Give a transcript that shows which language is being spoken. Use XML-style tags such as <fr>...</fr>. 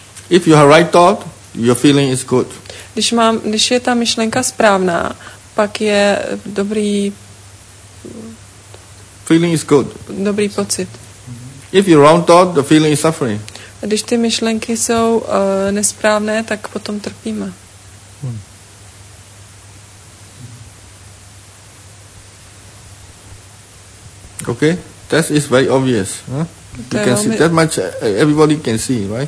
<en>If you have right thought, your feeling is good.</en> <cs>Když je ta myšlenka správná, pak je dobrý</cs> <en>feeling is good.</en> <cs>Dobrý pocit.</cs> <en>If you wrong thought, the feeling is suffering.</en> <cs>A když ty myšlenky jsou nesprávné, tak potom trpíme.</cs> <en>Okay, that is very obvious. Huh? You can see that much. Everybody can see, right?</en>